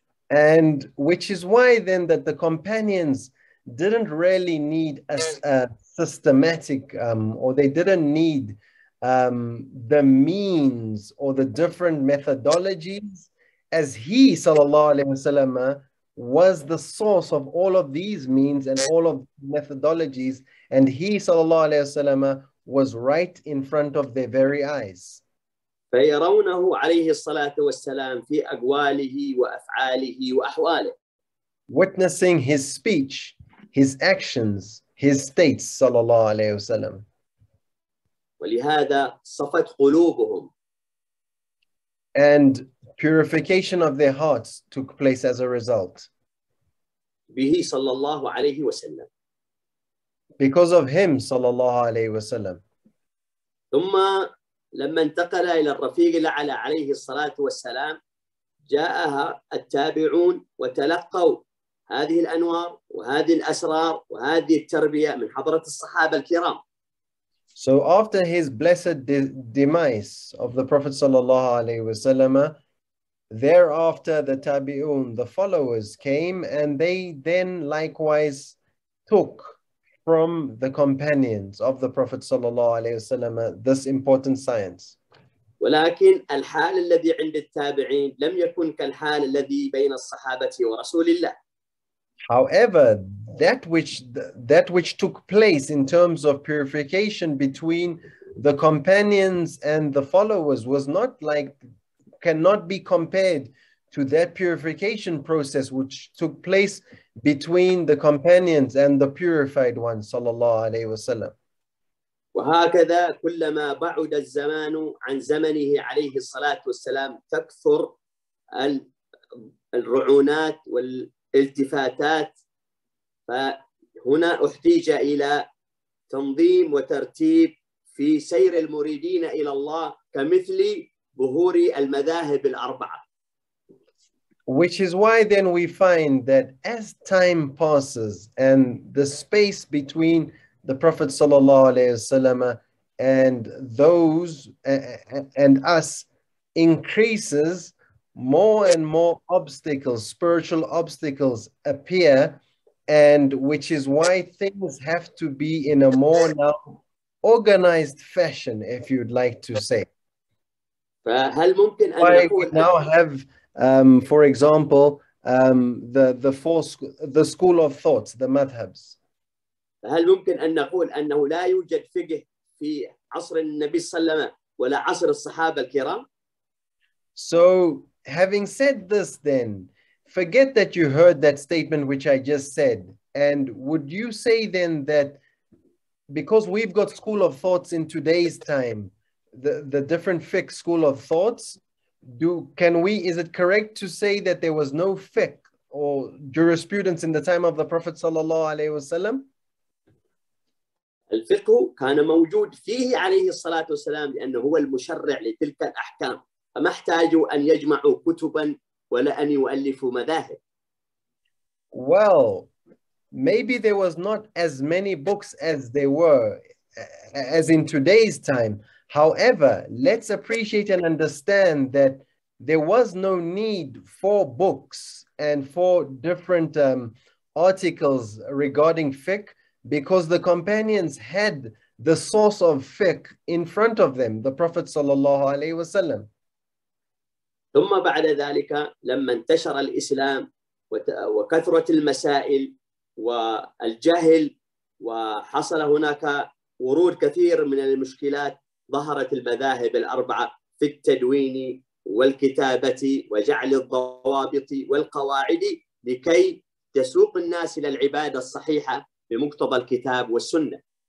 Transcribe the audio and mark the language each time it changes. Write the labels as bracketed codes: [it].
[en] And which is why then that the companions didn't really need a systematic or they didn't need the means or the different methodologies, as he [ar] sallallahu alayhi wasallam [en] was the source of all of these means and all of methodologies, and he sallallahu alayhi wasallam was right in front of their very eyes. [ar] فيرونه عليه الصلاة والسلام في أقواله وأفعاله وأحواله. [en] Witnessing his speech, his actions, his states, [ar] صلى الله عليه وسلم. ولهذا صفت قلوبهم. [en] And purification of their hearts took place as a result. [ar] به صلى الله عليه وسلم. [en] Because of him, [ar] صلى الله عليه وسلم. ثم لما انتقل إلى الرفيق الأعلى عليه الصلاة والسلام جاءها التابعون وتلقوا هذه الأنوار وهذه الأسرار وهذه التربية من حضرة الصحابة الكرام. [en] So after his blessed demise of the Prophet [ar] صلى الله عليه وسلم, [en] thereafter the tabi'un, the followers came and they then likewise took from the companions of the Prophet صلى الله عليه وسلم this important science. [ar] ولكن الحال الذي عند التابعين لم يكن كالحال الذي بين الصحابة ورسول الله. [en] However, that which took place in terms of purification between the companions and the followers was not like, cannot be compared to that purification process which took place between the companions and the purified one, [ar] sallallahu alayhi wa sallam. وهكذا كلما بعد الزمان عن زمنه عليه الصلاة والسلام تكثر الرعونات والالتفاتات فهنا احتاج إلى تنظيم وترتيب في سير المريدين إلى الله كمثل ظهور المذاهب الأربعة. [en] Which is why then we find that as time passes and the space between the Prophet [ar] sallallahu alayhi wa sallam [en] and those and us increases, more and more obstacles, spiritual obstacles appear, and which is why things have to be in a more now organized fashion, if you'd like to say. Why we now have, for example, the school of thoughts, the madhabs. [ar] هل ممكن أن نقول أنه لا يوجد فقه في عصر النبي صلى الله عليه وسلم ولا عصر الصحابة الكرام؟ [en] So having said this, then forget that you heard that statement which I just said, and would you say then that because we've got school of thoughts in today's time, the different fiqh school of thoughts, is it correct to say that there was no fiqh or jurisprudence in the time of the Prophet [ar] sallallahu alaihi wasallam? الفقه كان موجود فيه عليه الصلاة والسلام لأنه هو المشرع لتلك الأحكام فما احتاجوا أن يجمعوا كتبا ولا أن يؤلفوا مذاهب. [en] Well, maybe there was not as many books as there were as in today's time. However, let's appreciate and understand that there was no need for books and for different articles regarding fiqh, because the companions had the source of fiqh in front of them, the Prophet [ar] sallallahu alaihi wasallam. ثم بعد ذلك لما انتشر الإسلام وكثرة المسائل والجهل وحصل هناك ورود كثير من المشكلات ظهرت المذاهب الأربعة في التدوين والكتابة وجعل الضوابط والقواعد لكي تسوق الناس إلى العبادة الصحيحة بمقتضى الكتاب والسنة.